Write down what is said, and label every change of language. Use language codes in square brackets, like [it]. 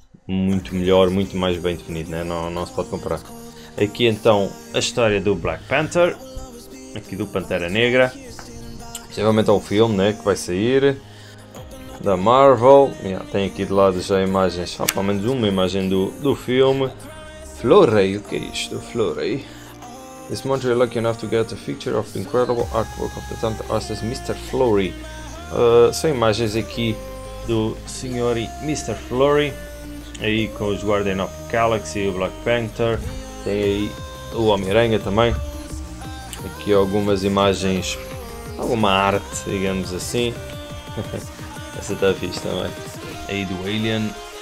[pt] Muito melhor, muito mais bem definido, né? Não se pode comparar. Aqui então a história do Black Panther, aqui do Pantera Negra, possivelmente é o filme, né, que vai sair da Marvel. Tem aqui de lado já imagens, só pelo menos uma imagem do filme. Florey, o que é isto? Florey. [en] This month we're lucky enough to get a feature of the incredible artwork of the talented artist Mr. Florey. [pt] São imagens aqui do senhor Mr. Florey, aí com os Guardians of the Galaxy e o Black Panther. Tem aí o Homem-Aranha também. Aqui algumas imagens, alguma arte, digamos assim. Essa está fixe também. Aí do Alien.